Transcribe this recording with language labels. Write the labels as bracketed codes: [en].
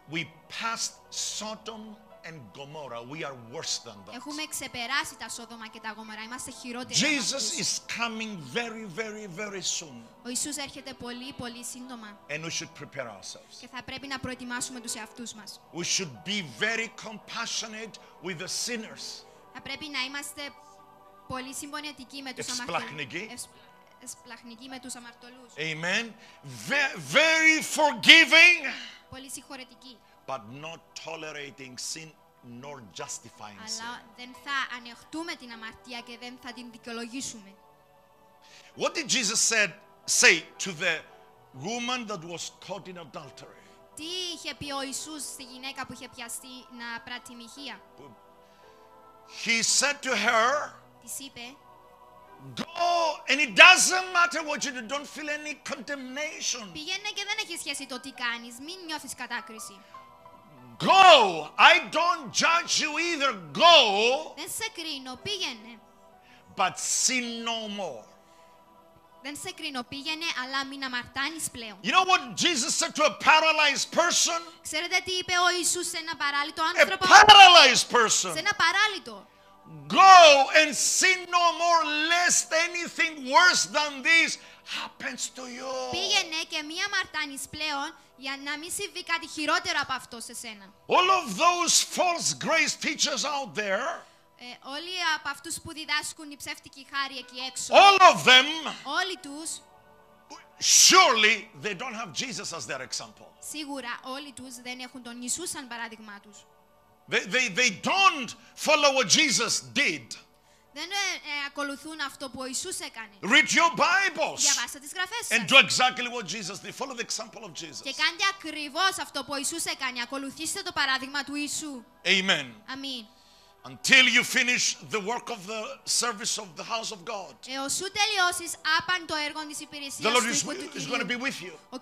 [en] We passed Sodom and Gomorrah. We are worse than that. [el] Έχουμε ξεπεράσει τα Σόδομα και τα Γόμορα. Είμαστε χειρότεροι. [en] Jesus is coming very, very, very soon. [el] Ο Ιησούς έρχεται πολύ, πολύ σύντομα. [en] And we should prepare ourselves. [el] Και θα πρέπει να προετοιμάσουμε τους εαυτούς μας. [en] We should be very compassionate with the sinners. [el] Θα πρέπει να είμαστε πολύ συμπονετικοί με τους αμαρτωλούς. [en] Amen. Very forgiving. [el] Πολύ συγχωρετικοί. [en] But not tolerating sin nor justifying sin. [el] Αλλά δεν θα ανεχτούμε την αμαρτία και δεν θα την δικαιολογήσουμε. [en] What did Jesus say to the woman that was caught in adultery? [el] Τι είχε πει ο Ιησούς στη γυναίκα που είχε πιαστεί να πρατημηχία? [en] He said to her, [el] της είπε, [en] go and it doesn't matter what you do, don't feel any condemnation. [el] Πήγαινε και δεν έχει σχέση το τι κάνεις, μην νιώθεις κατάκριση. [en] Go, I don't judge you either, go. [el] Δεν σε κρίνω, πήγαινε. [en] But sin no more. [el] Δεν σε κρίνω, πήγαινε, αλλά μην αμαρτάνεις πλέον. [en] You know what Jesus said to a paralyzed person? [el] Ξέρετε τι είπε ο Ιησούς σε ένα παράλυτο άνθρωπο? [en] A paralyzed person. [el] Σε ένα παράλυτο. [en] Go and sin no more, lest anything worse than this happens to you. [el] Πήγαινε και μην αμαρτάνεις πλέον, για να μην συμβεί κάτι χειρότερο από αυτό σε σένα. [en] All of those false grace teachers out there. [el] Όλοι από αυτούς που διδάσκουν η ψεύτικη χάρη εκεί έξω. [en] All of them. [el] Όλοι τους. [en] Surely they don't have Jesus as their example. [el] Σίγουρα όλοι τους δεν έχουν τον Ιησού σαν παράδειγμά τους. [en] They don't follow what Jesus did. [el] Δεν ακολουθούν αυτό που ο Ιησούς έκανε. [en] Read your Bibles. [el] Διαβάστε τις γραφές σας. [en] And do exactly what Jesus did. Follow the example of Jesus. [el] Και κάντε ακριβώς αυτό που ο Ιησούς έκανε. Ακολουθήστε το παράδειγμα του Ιησού. [en] Amen. [el] Αμήν. [en] Until you finish the work of the service of the house of God. The Lord is going to be with you.